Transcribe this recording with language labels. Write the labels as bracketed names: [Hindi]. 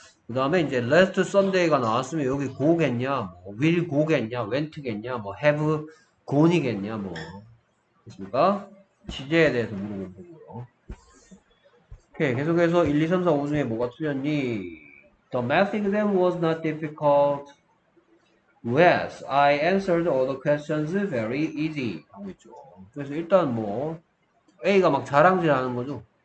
[Korean] 그다음에 이제 last Sunday가 나왔으면 여기 go겠냐, 뭐 will go겠냐, went겠냐, 뭐 have gone이겠냐, 뭐 그렇습니까? 시제에 대해서 물어본 거고요. 오케이, 계속해서 1, 2, 3, 4, 5 중에 뭐가 틀렸니? [English] The math exam was not difficult. Yes, I answered all the questions very easy. [Korean] 하고 있죠. 그래서 일단 뭐, A가 막 자랑질하는 거죠.